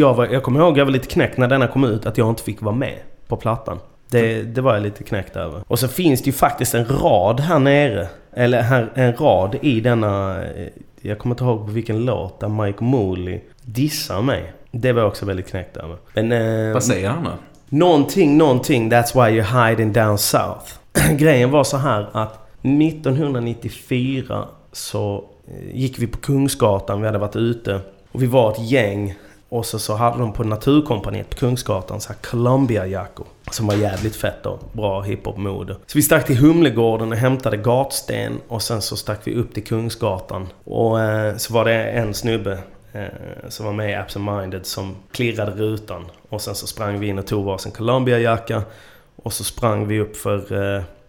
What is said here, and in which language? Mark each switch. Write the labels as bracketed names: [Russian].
[Swedish] Jag kommer ihåg, jag var lite knäckt när denna kom ut att jag inte fick vara med på plattan. Det var jag lite knäckt över. Och så finns det ju faktiskt en rad här nere, eller här, en rad i denna, jag kommer inte ihåg på vilken låt, där Mike Mooley dissar mig. Det var jag också väldigt knäckt över. Men, vad säger han då? Någonting, [English] that's why you're hiding down south. [Swedish] Grejen var så här att 1994 så gick vi på Kungsgatan, vi hade varit ute och vi var ett gäng och så hade de på Naturkompaniet på Kungsgatan så här Columbia Jacko som var jävligt fett och bra hiphop-mode. Så vi stack till Humlegården och hämtade gatsten och sen så stack vi upp till Kungsgatan och så var det en snubbe som var med i Absent Minded som klirrade rutan och sen så sprang vi in och tog varsin Columbia Jacka och så sprang vi upp för...